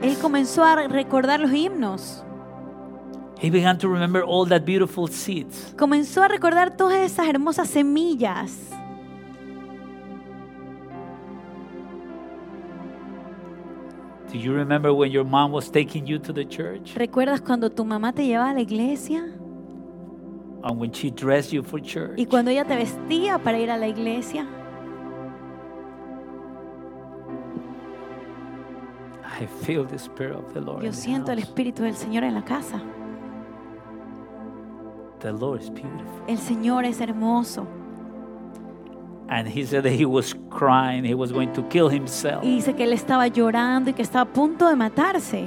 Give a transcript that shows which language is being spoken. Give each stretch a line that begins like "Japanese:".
Spanish: Él comenzó a recordar los himnos.
English: He began to remember all that beautiful seeds.
Spanish: Comenzó a recordar todas esas hermosas semillas.
English: Do you remember when your mom was taking you to the church?
Spanish: ¿Recuerdas cuando tu mamá te llevaba a la iglesia?
English: And when she dressed you for church.
Spanish: Y cuando ella te vestía para ir a la iglesia.
English: I feel the spirit of the Lord.
Spanish: Yo siento el espíritu del Señor en la casa.
English: The Lord is beautiful.
Spanish: El Señor es hermoso.
English: And he said that he was crying, he was going to kill himself.
Spanish: Y dice que él estaba llorando y que estaba a punto de matarse.